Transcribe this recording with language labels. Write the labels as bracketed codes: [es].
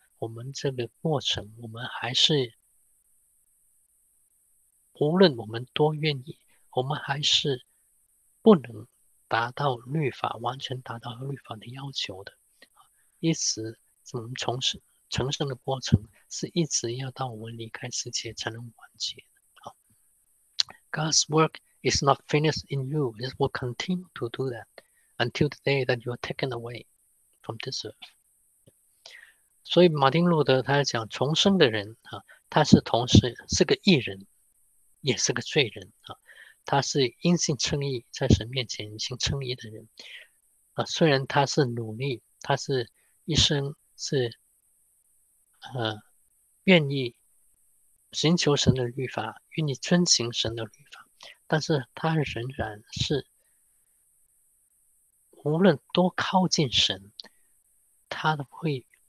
[zh] 我们这个过程，我们还是，无论我们多愿意，我们还是不能达到律法，完全达到律法的要求的。因此，我们成圣的过程是一直要到我们离开世界才能完结的。 [en] God's work is not finished in you; it will continue to do that until the day that you are taken away from this earth. [zh] 所以，马丁·路德他讲，重生的人他是同时是个义人，也是个罪人他是因信称义，在神面前因信称义的人虽然他是努力，他是一生是愿意寻求神的律法，愿意遵行神的律法，但是他仍然是无论多靠近神，他都会。